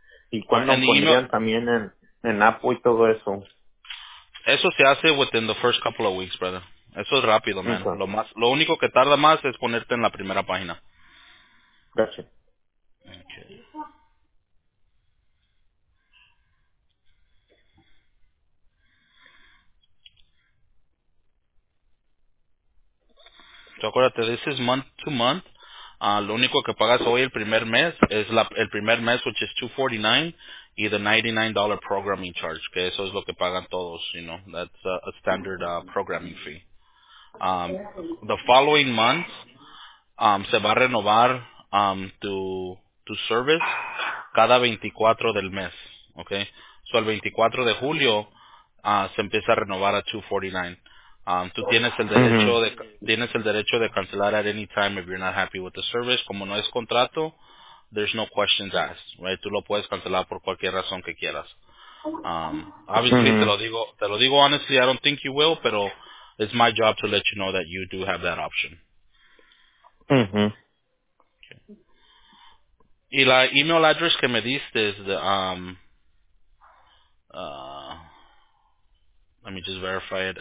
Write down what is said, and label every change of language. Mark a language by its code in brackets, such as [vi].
[es] ¿Y cuándo pondrían también en Apple y todo eso? Eso se hace [en] within the first couple of weeks, brother. [es] Eso es rápido, [en] man. [es] Okay. Lo único que tarda más es ponerte en la primera página. Gracias. [en] Okay. So, [es] acuérdate, [en] this is month to month. [es] Lo único que pagas hoy el primer mes es el primer mes, [en] which is $249, [es] y [en] the $99 programming charge, [es] que eso es lo que pagan todos, [en] you know. That's a standard programming fee. The following month, [es] se va a renovar tu service cada 24 del mes, [en] okay? [es] So el 24 de julio se empieza a renovar a $249. Tú tienes el derecho de cancelar [en] at any time if you're not happy with the service. [es] Como no es contrato, [en] there's no questions asked, right? [es] Tú lo puedes cancelar por cualquier razón que quieras. [en] Obviously, mm-hmm. [es] te lo digo [en] honestly, I don't think you will, [es] pero [en] it's my job to let you know that you do have that option. Mm-hmm. [es] Okay. Y la email address que me diste es the, [en] let me just verify it.